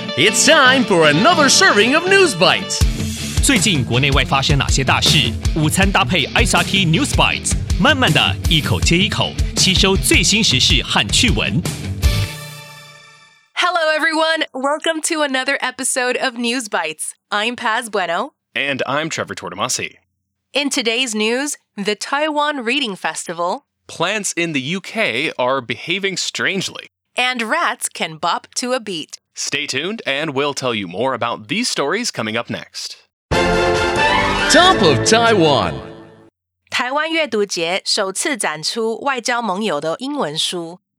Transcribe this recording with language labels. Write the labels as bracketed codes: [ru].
[en] It's time for another serving of News Bites. [zh] 最近国内外发生哪些大事？午餐搭配 SRT News Bites， 慢慢的一口接一口，吸收最新时事和趣闻。 [en] Hello everyone, welcome to another episode of News Bites. I'm Paz Bueno. And I'm Trevor Tortomasi. In today's news, the Taiwan Reading Festival. Plants in the UK are behaving strangely. And rats can bop to a beat. Stay tuned and we'll tell you more about these stories coming up next. Top of Taiwan. [zh] 台湾阅读节首次展出外交盟友的英文书。